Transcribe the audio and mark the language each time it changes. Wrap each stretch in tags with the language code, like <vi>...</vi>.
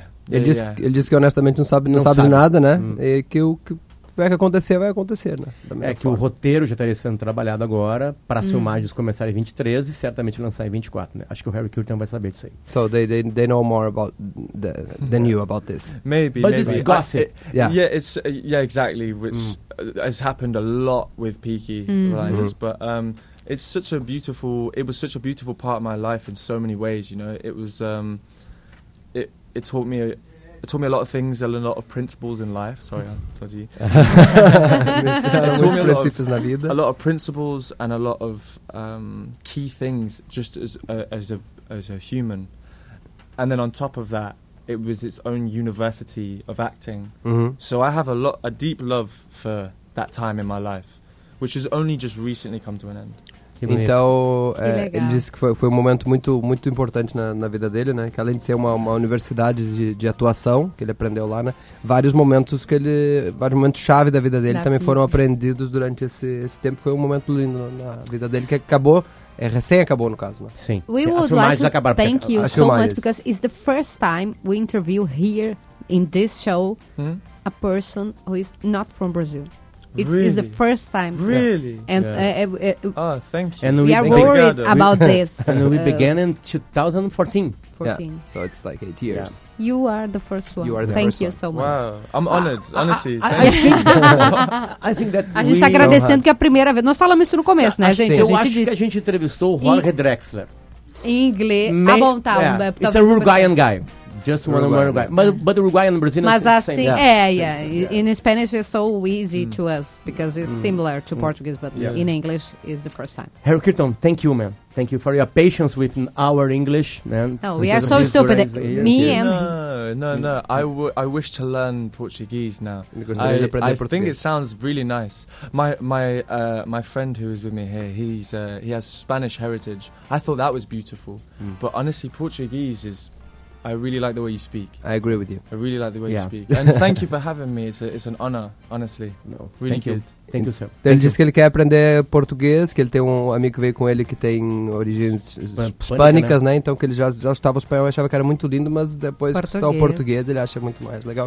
<pt>Ele disse que honestamente não sabe de nada, né? E que o que vai acontecer vai acontecer, né? Que o roteiro já estaria sendo trabalhado agora para as filmagens começarem em 23 e certamente lançar em 24, né? Acho que o Harry Curtin vai saber disso aí.</pt> <en>So they know more about than you about this. Maybe. This is gossip. Exactly, which has happened a lot with Peaky Blinders, but it's such a beautiful part of my life in so many ways, you know. It was It taught me a lot of things and a lot of principles in life. Sorry, I told you. It taught me a lot of principles and a lot of key things just as a human. And then on top of that, it was its own university of acting. Mm-hmm. So I have a deep love for that time in my life, which has only just recently come to an end.</en> <pt>Então, ele disse que foi um momento muito, muito importante na vida dele, né? Que além de ser uma universidade de atuação, que ele aprendeu lá, né? Vários momentos chave da vida dele também foram aprendidos durante esse tempo. Foi um momento lindo na vida dele, que acabou, recém acabou no caso, né? Sim.</pt> <en>We would like to thank you so much, because it's the first time we interview here in this show a person who is not from Brazil. It's, really? It's the first time. Really? And thank you. And we are worried about this. And we began in 2014. So it's like 8 years. Yeah. You are the first one. You are the thank first you one. So much. Wow. I'm honored, honestly. I think that's</en> <pt>a gente está agradecendo que é a primeira vez. Nós falamos isso no começo, né, gente? Eu acho que a gente entrevistou o Jorge Drexler. Em inglês. Ah, bom, tá.</pt> <en>It's a Uruguayan guy. Just one Uruguayan. But Uruguayan and Brazilian is the same. In Spanish, it's so easy to us because it's similar to Portuguese, but in English, it's the first time. Harry Kirton, thank you, man. Thank you for your patience with our English, man. No, we are so stupid. Me and... No. I wish to learn Portuguese now. I think it sounds really nice. My friend who is with me here, he has Spanish heritage. I thought that was beautiful. But honestly, Portuguese is... I really like the way you speak. I agree with you. I really like the way you speak. And thank you for having me. It's an honor, honestly. Thank you, sir.</en> <pt>Então ele disse que ele quer aprender português, que ele tem um amigo que veio com ele que tem origens hispânicas, né? Então que ele já estava o espanhol e achava que era muito lindo, mas depois que está o português ele acha muito mais legal.</pt>